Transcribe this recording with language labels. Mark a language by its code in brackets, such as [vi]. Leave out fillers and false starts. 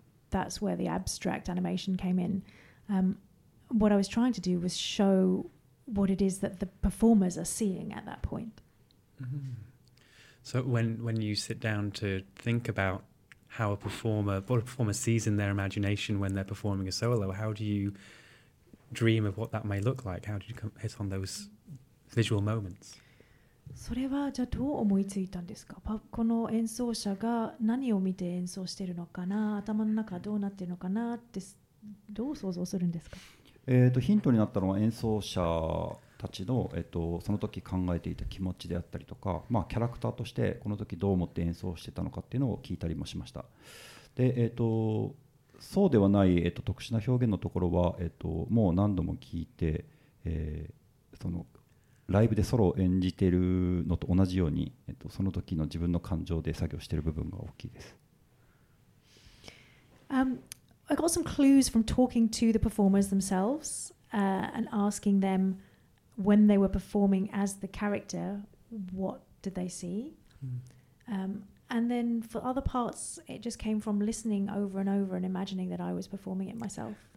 [en] That's where the abstract animation came in. What I was trying to do was show what it is that the performers are seeing at that point. So when you sit down to think about how a performer, what a performer sees in their imagination when they're performing a solo, how do you dream of what that may look like? How do you hit on those visual moments? [ja] それはじゃあどう思いついたんですか？この演奏者が何を見て演奏してるのかな？頭の中どうなってるのかな？ってどう想像するんですか？ヒントになったのは演奏者たちの、その時考えていた気持ちであったりとか、まあ、キャラクターとしてこの時どう思って演奏してたのかっていうのを聞いたりもしました。で、そうではない、特殊な表現のところは、もう何度も聞いて、そのライブでソロを演じているのと同じように、その時の自分の感情で作業している部分が大きいです。 [en] I got some clues from talking to the performers themselves, and asking themWhen they were performing as the character, what did they see? And then for other parts, it just came from listening over and over and imagining that I was performing it myself.